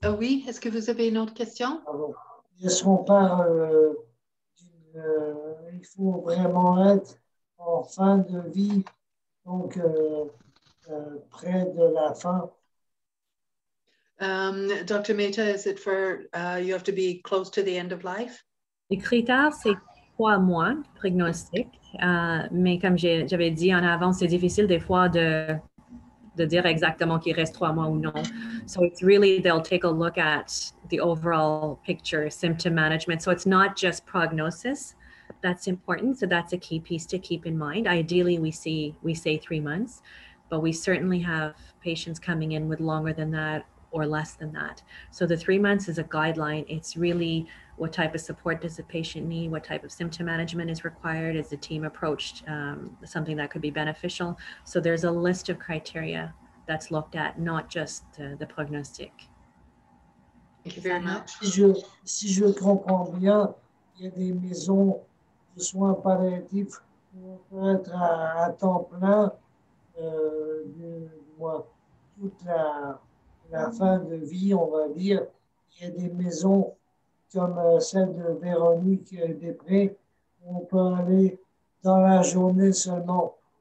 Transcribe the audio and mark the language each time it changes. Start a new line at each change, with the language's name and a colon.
French: Oui, est-ce que vous avez une autre question? Ils ne sont pas. Il faut vraiment être en fin de vie, donc près de la fin.
English: Dr. Mehta, is it for you have to be close to the end of life?
French: Les critères, c'est 3 mois prognostic, mais comme j'avais dit en avant, c'est difficile des fois de dire exactement qu'il reste 3 mois ou non.
English: So it's really, they'll take a look at the overall picture, symptom management. So it's not just prognosis that's important. So that's a key piece to keep in mind. Ideally, we say 3 months, but we certainly have patients coming in with longer than that or less than that. So the 3 months is a guideline. It's really what type of support does the patient need? What type of symptom management is required? Is the team approached something that could be beneficial? So there's a list of criteria that's looked at, not just the prognostic. Thank you very much.
French: Si je comprends bien, il y a des maisons de soins palliatifs où on peut être à temps plein toute la fin de vie, on va dire. Il y a des maisons comme celle de Véronique Després où on peut aller dans la journée seulement.